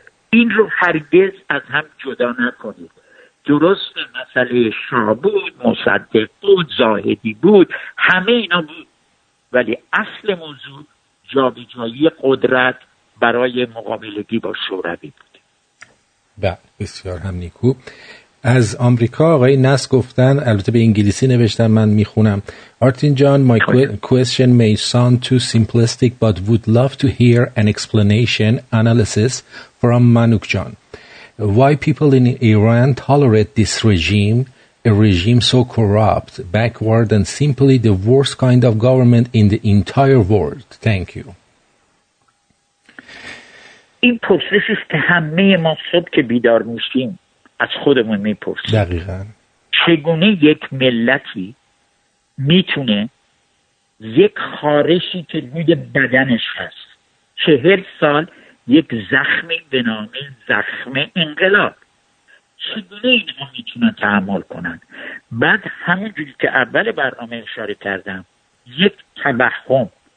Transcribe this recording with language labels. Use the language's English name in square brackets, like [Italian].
[Persian] این رو هرگز از هم جدا نکنید. درست مسئله شاه بود، مصدق بود، زاهدی بود، همه اینا بود، ولی اصل موضوع جابجایی قدرت برای مقابلگی با شوروی بود. بسیار هم نیکو. از آمریکا آقای نس گفتن، البته به انگلیسی نوشتن، من میخونم. [English] Artin جان، my question may sound too simplistic but would love to hear an explanation analysis from Manuk John. Why people in Iran tolerate this regime a regime so corrupt, backward, and simply the worst kind of government in the entire world. Thank you. [Persian] این پرسشیست که همه ما صبح که بیدار میشیم از خودمون میپرسیم. دقیقا. چگونه یک ملتی میتونه یک خارشی که روی بدنش هست 40 سال یک زخمی به نام زخم انقلاب، چگونه اینها میتونن تعامل کنن؟ بعد همونجوری که اول برنامه اشاره کردم، یک تبخم.